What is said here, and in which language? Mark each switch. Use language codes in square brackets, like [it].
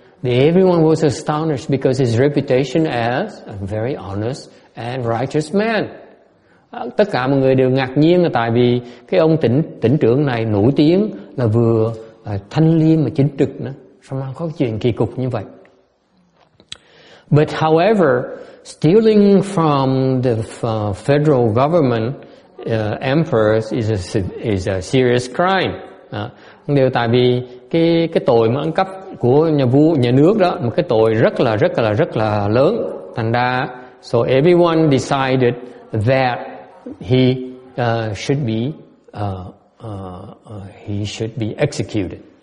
[en] Everyone was astonished because his reputation as a very honest and righteous man. [vi] Tất cả mọi người đều ngạc nhiên là tại vì cái ông tỉnh trưởng này nổi tiếng là vừa thanh liêm mà chính trực nữa, sao mà có chuyện kỳ cục như vậy. [en] But however, stealing from the federal government emperors is a serious crime. [vi] Điều tại vì cái tội mà ăn cắp của nhà vua nhà nước đó, một cái tội rất là lớn. Thành ra, [en] so everyone decided that he should be executed.